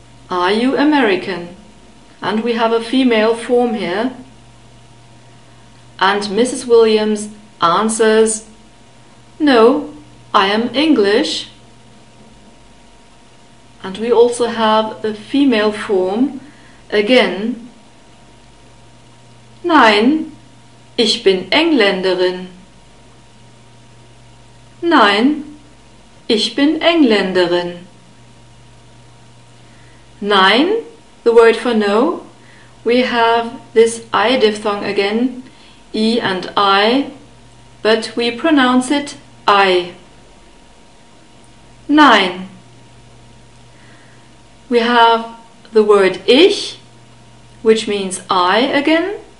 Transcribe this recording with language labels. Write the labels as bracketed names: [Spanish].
[English] Are you American? And we have a female form here. And Mrs. Williams answers, "No, I am English." And we also have a female form again. [German] Nein, ich bin Engländerin. Nein, ich bin Engländerin. [English] Nein, the word for no. We have this I diphthong again, E and I, but we pronounce it I. Nein. We have the word ich, which means I again.